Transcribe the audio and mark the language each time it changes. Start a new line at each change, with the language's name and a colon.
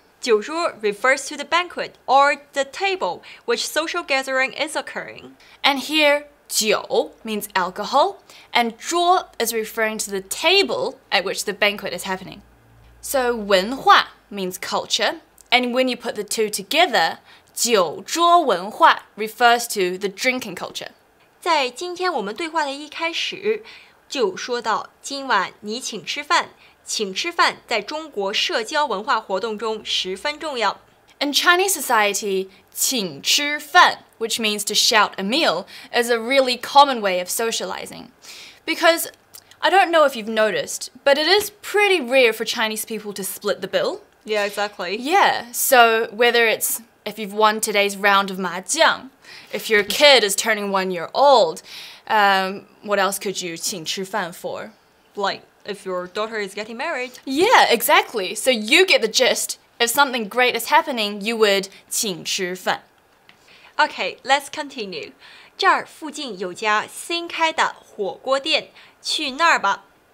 English: 酒桌 refers to the banquet or the table which social gathering is occurring. And here, 酒 means alcohol, and 桌 is referring to the table at which the banquet is happening. So 文化 means culture, and when you put the two together, 酒桌文化 refers to the drinking culture.
Chinese: 在今天我们对话的一开始，就说到今晚你请吃饭。请吃饭在中国社交文化活动中十分重要。
English: In Chinese society, 请吃饭, which means to shout a meal, is a really common way of socializing. Because, I don't know if you've noticed, but it is pretty rare for Chinese people to split the bill. Yeah, exactly. Yeah, so whether it's if you've won today's round of 麻将, if your kid is turning 1 year old, what else could you 请吃饭 for? Like,if your daughter is getting married. Yeah, exactly. So you get the gist. If something great is happening, you would 请吃饭。 Okay, let's continue.
Chinese: 这儿附近有家新开的火锅店，去那儿吧。